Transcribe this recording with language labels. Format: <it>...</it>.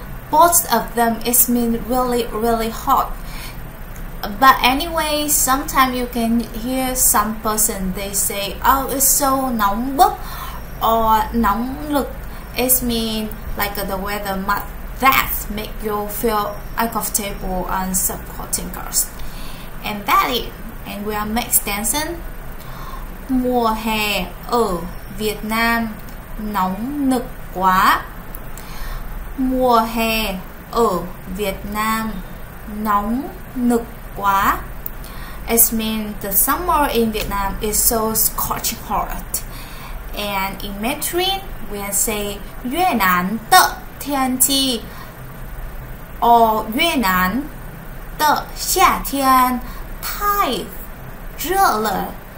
<en>Both of them is mean really really hot. But anyway, sometimes you can hear some person they say, oh, it's so nóng bức. Or nóng lực is mean like the weather much that make you feel uncomfortable and supporting girls. And that it. And we are next dancing.</en> <vi>Mùa hè ở Việt Nam nóng nực quá. Mùa hè ở Việt Nam nóng nực quá.</vi> <en>It means the summer in Vietnam is so scorching hot. And in Mandarin, we say</en> <zh>越南的天气</zh> <en>or</en> <zh>越南的夏天太热了.</zh>